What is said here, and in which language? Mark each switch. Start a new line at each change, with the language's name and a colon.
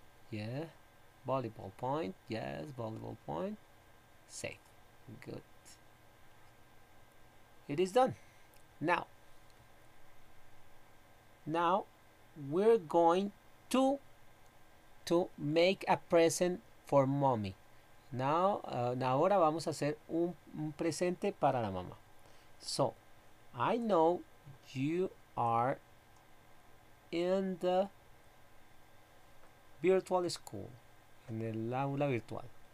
English: Yeah. Volleyball point. Yes, volleyball point. Save. Good. It is done. Now we're going to make a present for mommy.
Spanish: Ahora vamos a hacer un presente para la mamá.
English: So, I know you are in the virtual school,
Spanish: en el aula virtual.